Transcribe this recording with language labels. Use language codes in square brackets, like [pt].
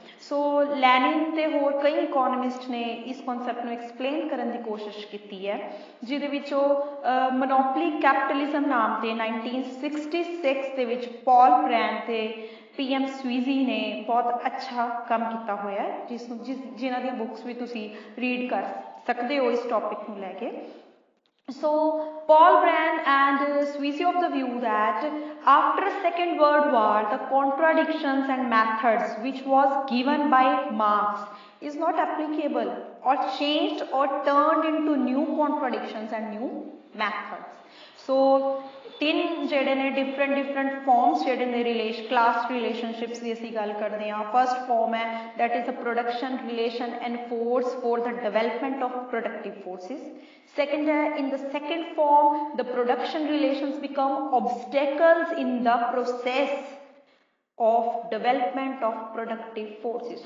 [pa] ਸੋ Lenin ਤੇ ਹੋਰ ਕਈ ਇਕੋਨੋਮਿਸਟ ਨੇ ਇਸ ਕਨਸੈਪਟ ਨੂੰ ਐਕਸਪਲੇਨ ਕਰਨ ਦੀ ਕੋਸ਼ਿਸ਼ ਕੀਤੀ ਹੈ, ਜਿਹਦੇ ਵਿੱਚ ਉਹ ਮੋਨੋਪਲੀ ਕੈਪੀਟਲਿਜ਼ਮ ਨਾਮ ਤੇ 1966 ਦੇ ਵਿੱਚ ਪੌਲ ਬ੍ਰੈਂਡ ਤੇ ਪੀ ਐਮ ਸਵੀਜ਼ੀ ਨੇ ਬਹੁਤ ਅੱਛਾ ਕੰਮ ਕੀਤਾ ਹੋਇਆ, ਜਿਹਨਾਂ ਦੀਆਂ ਬੁੱਕਸ ਵੀ ਤੁਸੀਂ ਰੀਡ ਕਰ ਸਕਦੇ ਹੋ ਇਸ ਟੋਪਿਕ ਨੂੰ ਲੈ ਕੇ. [en] So, Paul Brand and Sweezy of the view that after Second World War, the contradictions and methods which was given by Marx is not applicable or changed or turned into new contradictions and new methods. [pa] So, ਤਿੰਨ ਜਿਹੜੇ ਨੇ different forms ਜਿਹੜੇ ਨੇ class relationships ਦੀ ਅਸੀਂ ਗੱਲ ਕਰਦੇ ਹਾਂ. [en] First form ਹੈ that is a production relation and force for the development of productive forces. Second ਹੈ in the second form the production relations become obstacles in the process of development of productive forces.